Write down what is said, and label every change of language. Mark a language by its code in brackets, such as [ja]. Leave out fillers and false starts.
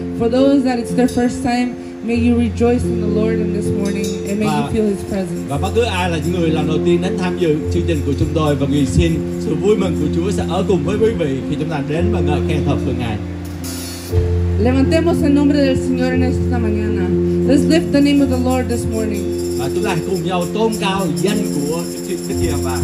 [en] For those that it's their first time, may you rejoice in the Lord in this morning and may you feel His presence. [vi] Và bất cứ ai là những người lần đầu tiên đến tham dự chương trình của chúng tôi và nguyện xin sự vui mừng của Chúa sẽ ở cùng với quý vị khi chúng ta đến và ngợi khen thật của Ngài. [es] Levantemos el nombre del Señor en esta mañana. [en] Let's lift the name of the Lord this morning. [vi] Và chúng ta cùng nhau tôn cao danh của Đức Chúa Trời.